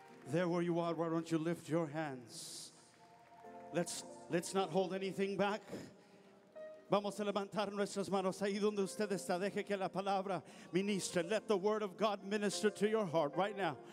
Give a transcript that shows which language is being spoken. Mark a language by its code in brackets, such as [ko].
[en] There where you are, why don't you lift your hands? Let's not hold anything back. [es] Vamos a levantar nuestras manos ahí donde usted está. Deje que la palabra ministre. [en] Let the word of God minister to your heart right now.